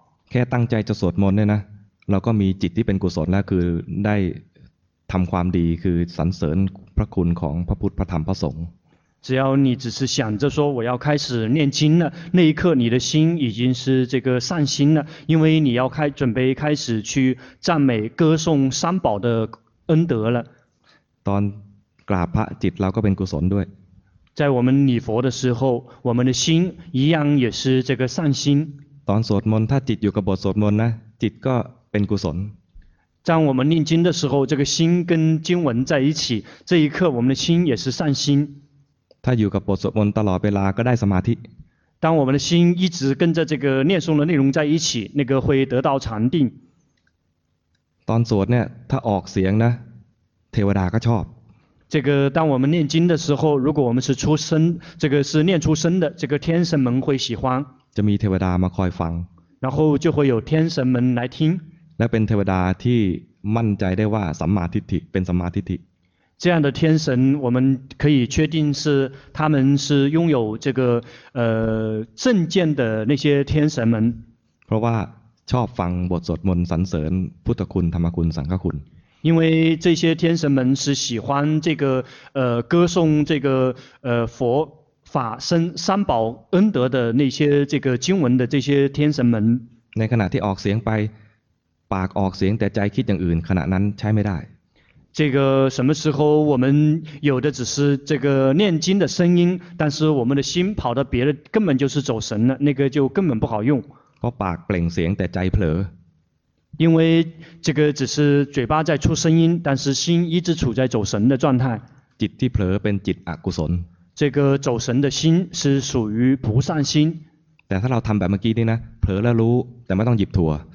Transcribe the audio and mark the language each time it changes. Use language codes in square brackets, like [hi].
[th] แค่ตั้งใจจะสวดมนต์เนี่ยนะเราก็มีจิตที่เป็นกุศลแล้วคือได้ทำความดีคือสรรเสริญพระคุณของพระพุทธพระธรรมพระสงฆ์ [zh] 只要你只是想着说我要开始念经了那一刻你的心已经是这个善心了因为你要准备开始去赞美歌颂三宝的恩德了 [th] ตอนกราบพระจิตเราก็เป็นกุศลด้วย [zh] 在我们礼佛的时候我们的心一样也是这个善心 [th] ตอนสวดมนต์ถ้าจิตอยู่กับบทสวดมนต์นะจิตก็ [zh] 当我们念经的时候这个心跟经文在一起这一刻我们的心也是善心他 [th] อยู่กับบทสวดมนต์ตลอดเวลาก็ได้สมาธิ [zh] 当我们的心一直跟着这个念诵的内容在一起那个会得到禅定 [th] ตอนสวดเนี่ยถ้าออกเสียงนะเทวดาก็ชอบ [zh] 这个当我们念经的时候如果我们是出声这个是念出声的这个天神们会喜欢 [th] จะมีเทวดามาคอยฟัง [zh] 然后就会有天神们来听 [th] และเป็นเทวดาที่มั่นใจได้ว่าสัมมาทิฏฐิเป็นสัมมาทิฏฐิ [zh] 这样的天神我们可以确定是他们是拥有这个正见的那些天神们 [th] เพราะว่าชอบฟังบทสวดมนต์สรรเสริญพุทธคุณธรรมคุณสังฆคุณ [zh] 因为这些天神们是喜欢这个歌颂这个佛法身三宝恩德的那些这个经文的这些天神们 [th] ในขณะที่ออกเสียงไปปากออกเสียงแต่ใจคิดอย่างอื่นขณะนั้นใช้ไม่ได้ [zh] 这个什么时候我们有的只是这个念经的声音但是我们的心跑到别的根本就是走神了那个就根本不好用 [th] เพราะปากเปล่งเสียงแต่ใจเผล [zh] อ因为这个只是嘴巴在出声音但是心一直处在走神的状态 [th] จิตที่เผลอเป็นจิตอกุศล [zh] 这个走神的心是属于不善心 [th] แต่ถ้าเราทำแบบเมื่อกี้นี่นะเผลอแล้วรู้แต่ไม่ต้องหยิบถั่ว